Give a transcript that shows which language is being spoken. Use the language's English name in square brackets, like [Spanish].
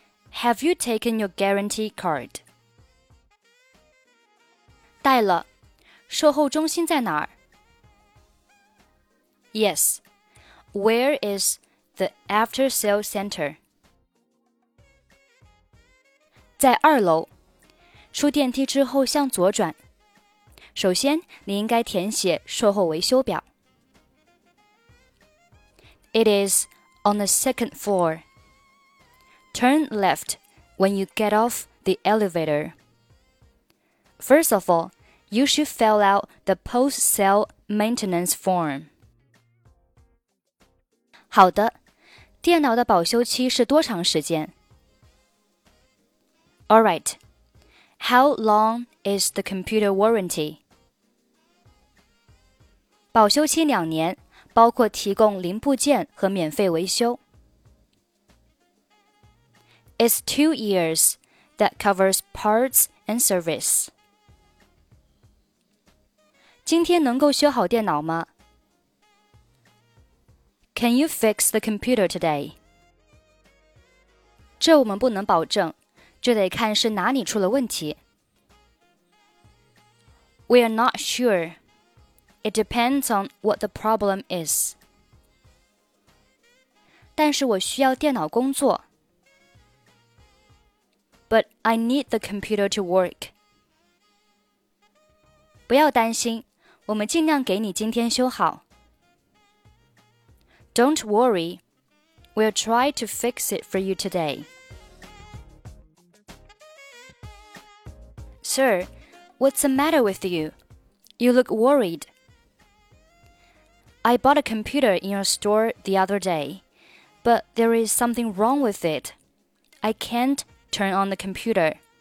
[English] Have you taken your guarantee card? [Chinese] 带了，售后中心在哪儿 [English] ?Yes, where is the after sale center? [Chinese] 在二楼，出电梯之后向左转。首先，你应该填写售后维修表。 [English] It is on the second floor. Turn left when you get off the elevator. First of all,You should fill out the post-sale maintenance form. [Chinese] 好的，电脑的保修期是多长时间 [English] ?All right. How long is the computer warranty? [Chinese] 保修期两年，包括提供零部件和免费维修。 [English] It's 2 years that covers parts and service. [Chinese] 今天能够修好电脑吗 [English] ?Can you fix the computer today? [Chinese] 这我们不能保证，这得看是哪里出了问题。 [English] We are not sure. It depends on what the problem is. [Chinese] 但是我需要电脑工作。 [English] But I need the computer to work. [Chinese] 不要担心。我们尽量给你今天修好。 [English] Don't worry, we'll try to fix it for you today. Sir, what's the matter with you? You look worried. I bought a computer in your store the other day, but there is something wrong with it. I can't turn on the computer.